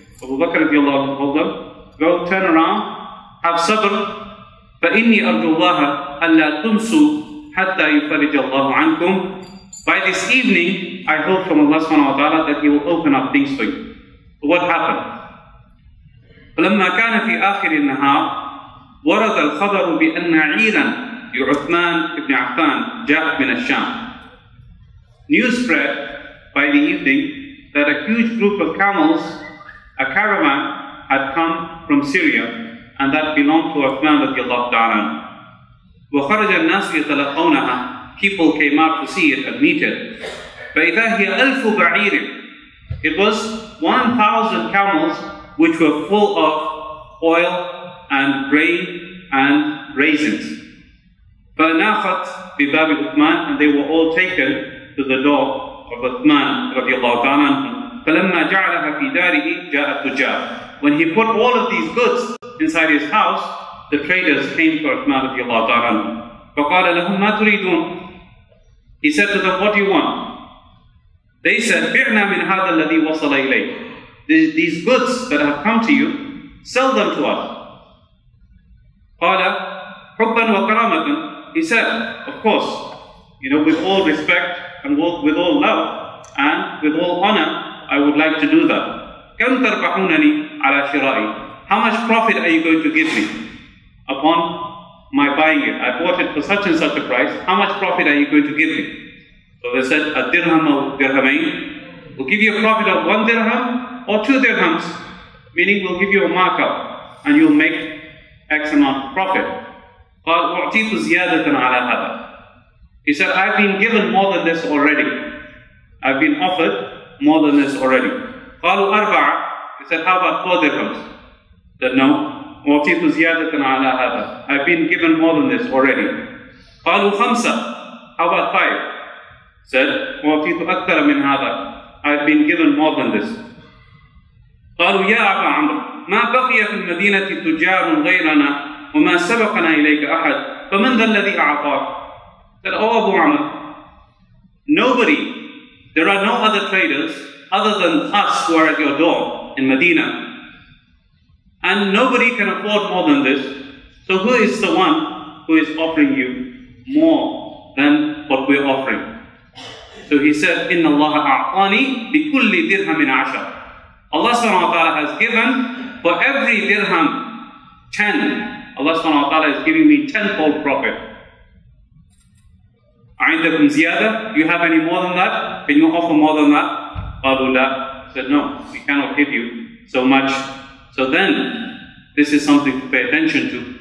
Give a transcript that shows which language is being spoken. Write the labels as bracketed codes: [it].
[en] Abu Bakr radiallahu anhu told them, go turn around, have sabr. [ar] فَإِنِّي أَرْجُوا اللَّهَ أَلَّا تُمْسُوا حَتَّى يُفَرِجَ اللَّهُ عَنْكُمْ. [en] By this evening, I hope from Allah subhanahu wa ta'ala that He will open up things for you. But what happened? [ar] فَلَمَّا كَانَ فِي آخِرِ النَّهَارِ وَرَدَ الْخَبَرُ بِأَنَّ عِيلًا Uthman ibn Affan, Ja'd bin al-Sham. [en] News spread by the evening that a huge group of camels, a caravan, had come from Syria and that belonged to Uthman radiallahu ta'ala. [ar] وَخَرَجَ النَّاسُ يَتَلَقَوْنَهَا. [en] People came out to see it and meet it. [ar] فَإِذَا هِيَ أَلْفُ بَعِيرٍ. [en] It was 1,000 camels which were full of oil and grain and raisins. [ar] فَنَاخَتْ بِبَابِ [en] Uthman, and they were all taken to the door of Uthman radiallahu ta'ala. [ar] فَلَمَّا جَعْلَهَا فِي دَارِهِ جَاءَ التُّجَّارِ. [en] When he put all of these goods inside his house, the traders came to Uthman radiallahu ta'ala. [ar] فَقَالَ لَهُمْ مَا تُرِيدُونَ. [en] He said to them, what do you want? They said, [ar] بِعْنَا مِنْ هَذَا الَّذِي وَصَلَ إِلَيْهِ. [en] These goods that have come to you, sell them to us. [ar] قَالَ حُبًّا وَكَرَامَةً. [en] He said, of course, you know, with all respect and with all love and with all honor, I would like to do that. [ar] كَمْ تَرْبَحُونَنِي عَلَى شِرَائِي. [en] How much profit are you going to give me upon my buying it? I bought it for such and such a price. How much profit are you going to give me? So they said, a dirham or dirhamain. We'll give you a profit of one dirham or two dirhams, meaning we'll give you a markup and you'll make X amount of profit. [ar] قال أعطيت زيادة على هذا. [en] He said, I've been given more than this already. I've been offered more than this already. [ar] قالوا أربعة. [en] He said, how about four dirhams? Said, no. [ar] أعطيت زيادة على هذا. [en] I've been given more than this already. [ar] قالوا خمسة. [en] How about five? Said, [ar] أعطيت أكثر من هذا. [en] I've been given more than this. [ar] قالوا يا أبا عمرو ما بقي في المدينة تجار غيرنا وَمَا سَبَقَنَا إِلَيْكَ أَحَدٌ فَمَنْ ذَا الَّذِي أَعْطَاكَ. [en] Said, oh Abu Amr, nobody, there are no other traders other than us who are at your door in Medina. And nobody can afford more than this. So who is the one who is offering you more than what we're offering? So he said, [ar] إِنَّ اللَّهَ أَعْطَانِي بِكُلِّ دِرْهَمٍ عَشَرٍ. [en] Allah subhanahu wa ta'ala has given for every dirham 10. Allah subhanahu wa ta'ala is giving me tenfold profit. [ar] عِنْدَكُمْ زِيَادَةً. [en] You have any more than that? Can you offer more than that? [ar] قَالُوا لَا. [en] Said, no, we cannot give you so much. So then, this is something to pay attention to.